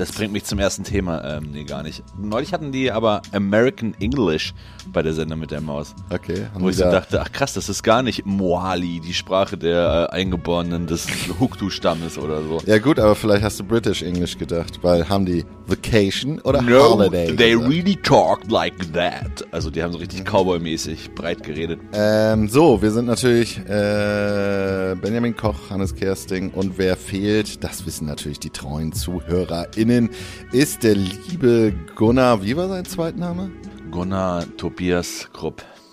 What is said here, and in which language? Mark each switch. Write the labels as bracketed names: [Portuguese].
[German] Das bringt mich zum ersten Thema. Nee, gar nicht. Neulich hatten die aber American English bei der Sendung mit der Maus. Okay. Wo ich so dachte, ach krass, das ist gar nicht Moali, die Sprache der Eingeborenen des Hukdu-Stammes oder so. Ja gut, aber vielleicht hast du British English gedacht, weil haben die Vacation oder [English] no, Holiday? No, they really talk like that. [German] Also die haben so richtig Cowboy-mäßig breit geredet. So, wir sind natürlich Benjamin Koch, Hannes Kersting und wer fehlt, das wissen natürlich die treuen zu. ZuhörerInnen ist der liebe Gunnar, wie war sein Zweitname? Gunnar Tobias Krupp.